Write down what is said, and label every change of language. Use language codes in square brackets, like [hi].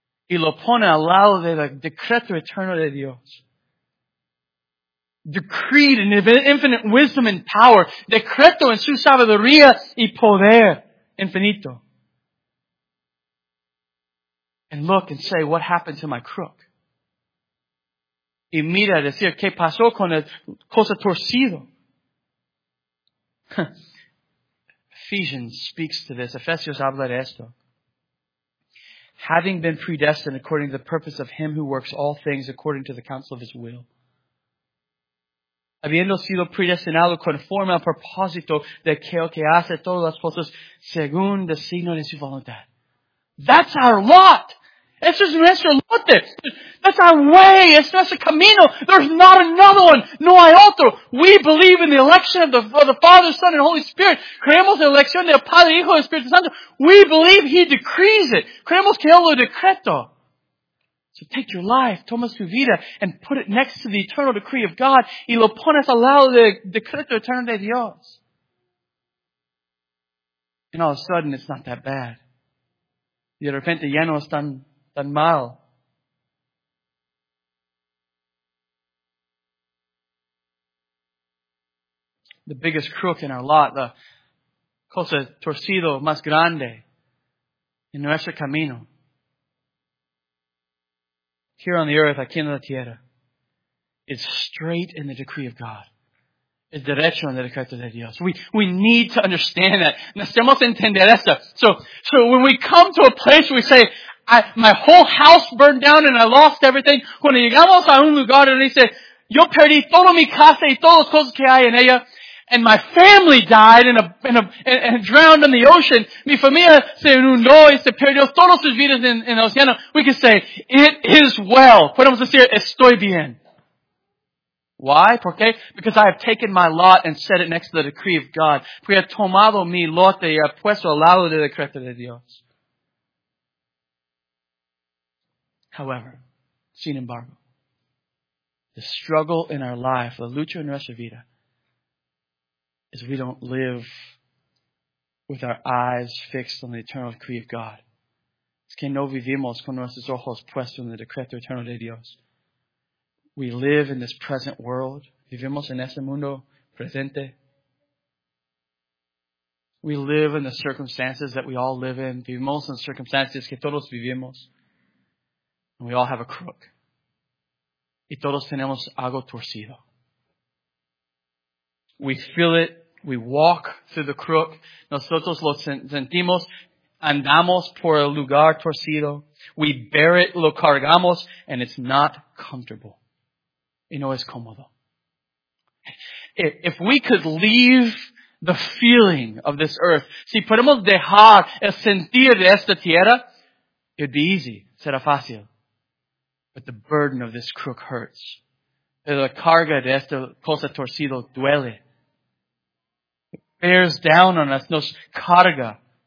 [es] Y lo pone al lado del decreto eterno de Dios. [en] Decreed in infinite wisdom and power. [es] Decreto en su sabiduría y poder infinito. [en] And look and say, what happened to my crook? [es] Y mira, decir, ¿qué pasó con el cosa torcido? [en] Ephesians speaks to this. [es] Efesios habla de esto. [en] Having been predestined according to the purpose of Him who works all things according to the counsel of His will. [es] Habiendo sido predestinado conforme al propósito de aquel que hace todas las cosas según el signo de su voluntad. [en] That's our lot! [es] Eso es nuestro lote. [en] That's our way. [es] Es nuestro camino. [en] There's not another one. [es] No hay otro. [en] We believe in the election of the Father, Son, and Holy Spirit. [es] Creemos en la elección del Padre, Hijo y Espíritu Santo. [en] We believe He decrees it. [es] Creemos que Él lo decreto. [en] So take your life, [es] toma su vida, [en] and put it next to the eternal decree of God. [es] Y lo pones al lado del decreto eterno de Dios. [en] And all of a sudden, it's not that bad. [es] Y de repente ya no están tan mal. [en] The biggest crook in our lot, the [es] cosa torcido más grande en nuestro camino. [en] Here on the earth, [es] aquí en la tierra, [en] it's straight in the decree of God. [es] Es derecho en el decreto de Dios. [en] We need to understand that. [es] Necesitamos entender esto. [en] So when we come to a place, we say, my whole house burned down and I lost everything. [es] Cuando llegamos a un lugar donde dice, yo perdí toda mi casa y todas las cosas que hay en ella. [en] And my family died and drowned in the ocean. [es] Mi familia se inundó y se perdió todas sus vidas en el océano. [en] We can say, it is well. [es] Podemos decir, estoy bien. [en] Why? [es] ¿Por qué? [en] Because I have taken my lot and set it next to the decree of God. [es] Porque he tomado mi lote y he puesto al lado del decreto de Dios. [en] However, [es] sin embargo, [en] the struggle in our life, [es] la lucha en nuestra vida, [en] is we don't live with our eyes fixed on the eternal decree of God. [es] Es que no vivimos con nuestros ojos puestos en el decreto eterno de Dios. [en] We live in this present world. [es] Vivimos en este mundo presente. [en] We live in the circumstances that we all live in. [es] Vivimos en circunstancias que todos vivimos. [en] And we all have a crook. [es] Y todos tenemos algo torcido. [en] We feel it. We walk through the crook. [es] Nosotros lo sentimos. Andamos por el lugar torcido. [en] We bear it. [es] Lo cargamos. [en] And it's not comfortable. [es] Y no es cómodo. [en] If we could leave the feeling of this earth. [es] Si podemos dejar el sentir de esta tierra. [en] It'd be easy. [es] Será fácil. [en] But the burden of this crook hurts. [es] La carga de esta cosa torcido duele. [en] It bears down on us. [es] Nos carga.